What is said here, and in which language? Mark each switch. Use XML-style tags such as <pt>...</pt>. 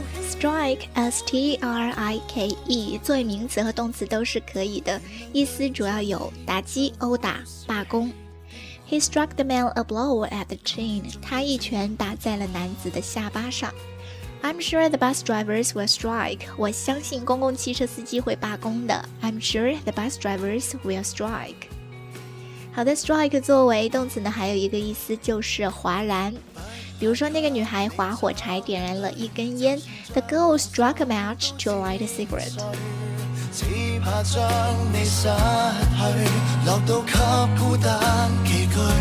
<zh>Strike, S-T-R-I-K-E, 作为名词和动词都是可以的，意思主要有打击、殴打、罢工。</zh> <en>He struck the man a blow at the chin.</en> <zh>他一拳打在了男子的下巴上。</zh> <en>I'm sure the bus drivers will strike.</en> <zh>我相信公共汽车司机会罢工的。</zh> <en>I'm sure the bus drivers will strike.</en> <zh>好的 ,strike 作为动词呢还有一个意思就是哗然。比如说那个女孩划火柴点燃了一根烟。</zh> <en>The girl struck a match to light a cigarette.</en> <zh>只怕将你失去落到给孤单几句。</zh>